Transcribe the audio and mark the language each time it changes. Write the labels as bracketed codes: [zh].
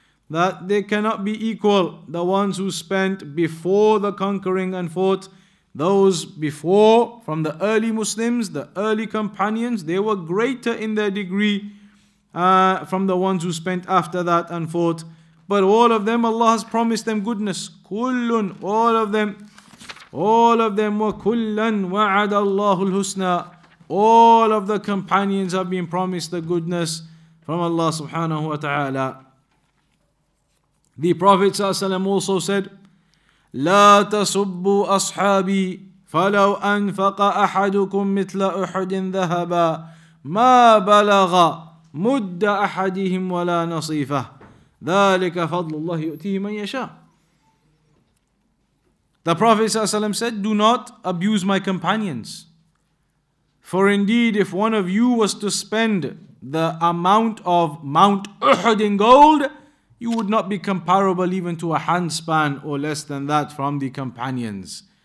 [en] That they cannot be equal, the ones who spent before the conquering and fought, those before, from the early Muslims, the early companions, they were greater in their degree from the ones who spent after that and fought. But all of them, Allah has promised them goodness. Kullun, all of them. All of them. [ar] Wa kullan wa'ada Allahul husna. [en] All of the companions have been promised the goodness from Allah subhanahu wa ta'ala. The Prophet also said, [ar] لا تسبوا أصحابي فلو أنفق أحدكم مثل أحد ذهبا ما بلغ مد أحدهم ولا نصيفة ذلك فضل الله يؤتيه من يشاء. [en] The Prophet ﷺ said, do not abuse my companions. For indeed, if one of you was to spend the amount of Mount Uhud in gold, you would not be comparable even to a handspan or less than that from the companions.